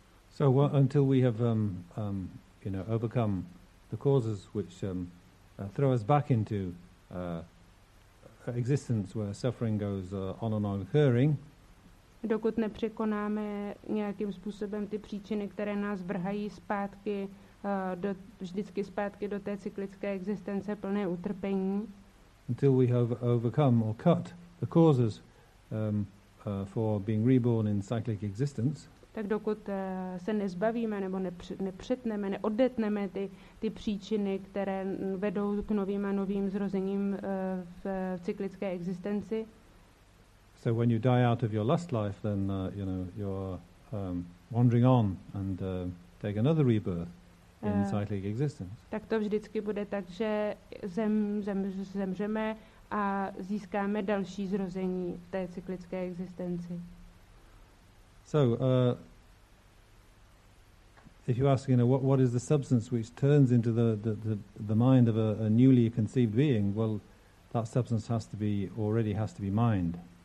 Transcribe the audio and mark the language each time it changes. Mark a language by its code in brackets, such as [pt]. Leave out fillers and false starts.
[en] So until we have you know, overcome the causes which throw us back into existence where suffering goes on and on occurring. [cs] Dokud nepřekonáme nějakým způsobem ty příčiny, které nás vrhají zpátky vždycky zpátky do té cyklické existence plné utrpení. [en] Until we have overcome or cut the causes for being reborn in cyclic existence. [cs] Tak dokud se nezbavíme nebo nepřetneme, neodetneme ty příčiny, které vedou k novým a novým zrozením v cyklické existenci. [en] So when you die out of your last life, then you know, you're wandering on and take another rebirth in cyclic existence. [cs] Tak to vždycky bude tak, že zemřeme a získáme další zrození v té cyklické existenci. [en] So if you ask, you know, what is the substance which turns into the mind of a newly conceived being, well, that substance has to be mind.